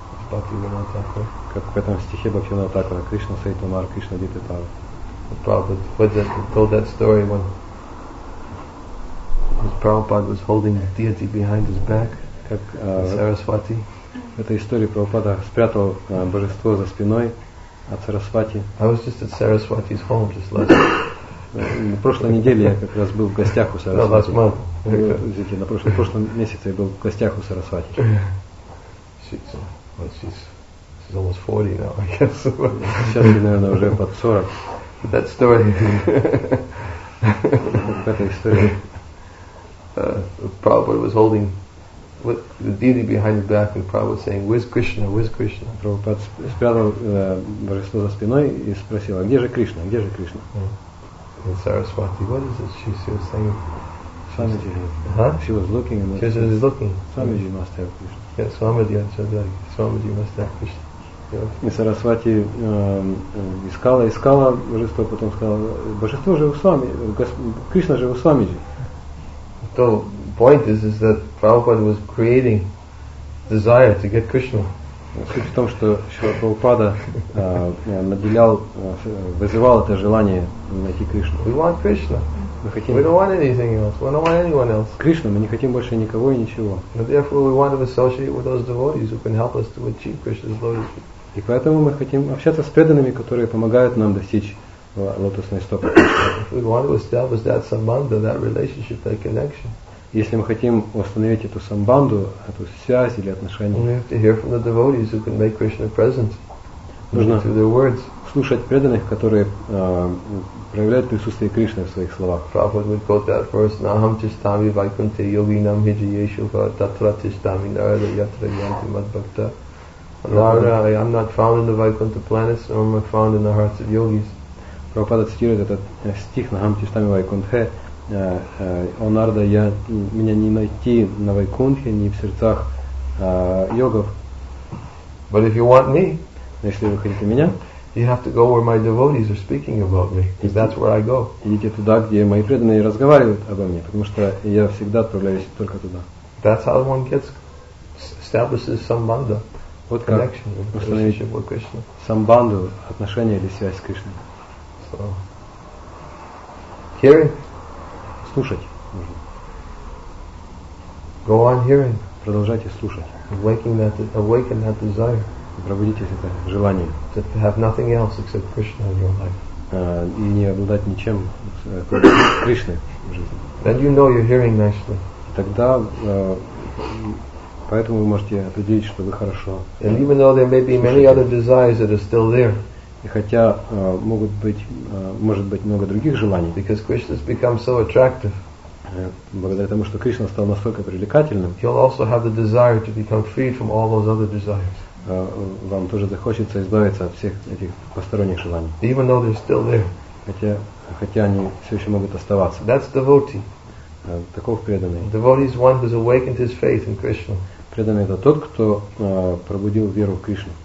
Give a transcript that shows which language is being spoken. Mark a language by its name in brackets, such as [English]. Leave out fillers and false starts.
[Russian] Как в этом стихе Бхактивинода Тхакура, Кришна Сайтамар, Кришна Дита Пава. [English] Prabhupada told that story when Prabhupada was holding the deity behind his back, [Russian] как Сарасвати. В этой истории Прабхупада спрятал божество за спиной от Сарасвати. [English] I was just at Saraswati's home just last week. [Russian] На прошлой неделе я как раз был в гостях у Сарасвати. [English] No, last month. [Russian] На прошлом месяце я был в гостях у Сарасвати. [English] She's almost 40 now, I guess. [Russian] Сейчас ты, наверное, уже под 40. [English] That story. [Russian] Эта история. [English] Prabhupada was holding the deity behind his back, and Prabhupada was saying, "Where's Krishna? Where's Krishna?" [Russian] Prabhupada спрятал божество за спиной и спросил, где же Кришна? Где же Кришна? [English] And Saraswati, what is it? She was saying, Swamiji. Huh? She was looking. And she was looking. Swamiji must have Krishna. Yeah, Swamiji, I said, Swamiji must have Krishna. [Russian] И Сарасвати искала божество, потом сказала, божество же у Свами, Кришна же у Свамиджи. [English] The point is that Prabhupada was creating desire to get Krishna. [Russian] Суть в том, что Шрила Прабхупада наделял, вызывал это желание найти Кришну. [English] We want Krishna. [Russian] Мы хотим. [English] We don't want anything else. We don't want anyone else. [Russian] Кришну мы не хотим больше никого и ничего. [English] And therefore we want to associate with those devotees who can help us to achieve Krishna's lotus feet. [Russian] И поэтому мы хотим общаться с преданными, которые помогают нам достичь лотосной стопы. [English] We want to establish that sambandha, that relationship, that connection. [Russian] Если мы хотим установить эту самбанду, эту связь или отношения, [English] we have to hear from the devotees who can make Krishna present. [Russian] Нужно [English] through their words. [Russian] Слушать преданных, которые проявляют присутствие Кришны в своих словах. [English] Prabhupada would quote that verse: [Sanskrit] "Naham tishtami vaikunte yogi nam hijyeshu va tatra tishtami narada yatra yanti madbhakta." [English] I am not found in the Vaikuntha planets, nor am I found in the hearts of yogis. [Russian] Prabhupada цитирует этот стих на Гамтиштами Вайкунтхе. О Нарда, я меня не найти на Вайкунтхе, ни в сердцах йогов. [English] But if you want me, [Russian] если вы хотите меня, [English] you have to go where my devotees are speaking about me, because that's where I go. [Russian] Идите туда, где мои преданные разговаривают обо мне, потому что я всегда отправляюсь только туда. [English] That's how one gets establishes sambandha. [Russian] Вот как установить самбанду, отношения или связь с Кришной. [English] So, hearing. [Russian] Слушать нужно. [English] Go on hearing. [Russian] Продолжайте слушать. [English] Awaken that desire. [Russian] Пробудитесь это желание. [English] To have nothing else except Krishna in your life. [Russian] И не обладать ничем, кроме Кришны в жизни. [English] Then you know you're hearing nicely. [Russian] Тогда поэтому вы можете определить, что вы хорошо. [English] And even though there may be many other desires that are still there. [Russian] И хотя могут быть, может быть много других желаний. [English] Because Krishna has become so attractive. [Russian] Благодаря тому, что Кришна стал настолько привлекательным, [English] you'll also have the desire to become freed from all those other desires. [Russian] Вам тоже захочется избавиться от всех этих посторонних желаний. [English] Even though they're still there. [Russian] Хотя они все еще могут оставаться. [English] That's devotee. [Russian] Таков преданный. [English] Devotee is one who's awakened his faith in Krishna. [Russian] Преданный — это тот, кто пробудил веру в Кришну.